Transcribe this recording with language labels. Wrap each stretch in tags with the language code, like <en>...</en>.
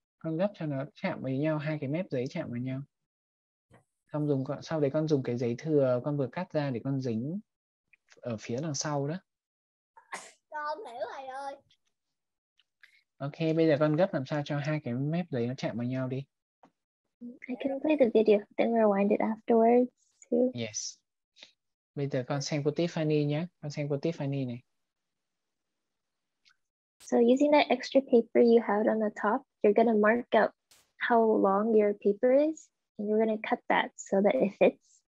<vi>Con gấp cho nó chạm với nhau, hai cái mép giấy chạm vào nhau. Xong dùng sau đấy con dùng cái giấy thừa con vừa cắt ra để con dính ở phía đằng sau đó. Con hiểu rồi ơi. Ok, bây giờ con gấp làm sao cho hai cái mép giấy nó chạm vào nhau đi.</vi> <en>I can play the video, then rewind it afterwards too. Yes.</en> <vi>Bây giờ con xem cô Tiffany nhé. Con xem cô Tiffany này.</vi> <en>So using that extra paper you had on the top, you're going to mark out how long your paper is, and you're going to cut that so that it fits.</en>